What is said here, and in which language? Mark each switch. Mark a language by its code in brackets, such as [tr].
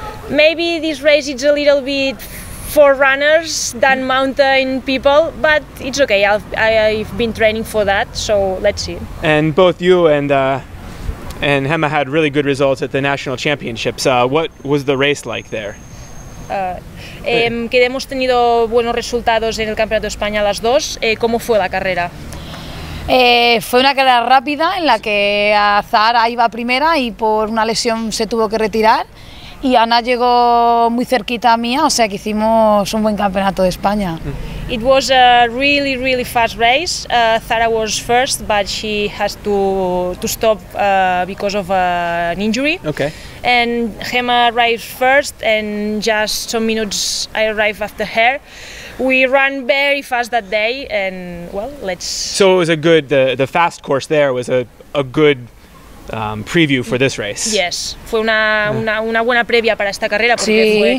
[en] Maybe this race is a little bit for runners than mountain people, but it's okay. I've been training for that, so let's see. And both you and Gemma had really good results at the national championships. What was the race like there? [es] Que hemos tenido buenos resultados en el Campeonato de España las dos. ¿Cómo fue la carrera? Fue una carrera rápida en la que Zahara iba primera y por una lesión se tuvo que retirar. Y Ana llegó muy cerquita a mía, o sea que hicimos un buen Campeonato de España. [en] It was a really, really fast race. Zahara was first, but she has to stop because of an injury. Okay. And Gemma arrived first, and just some minutes I arrived after her. We ran very fast that day, and well, let's... So it was a good, the fast course there was a good preview for this race. Yes, [es] fue una buena previa para esta carrera, porque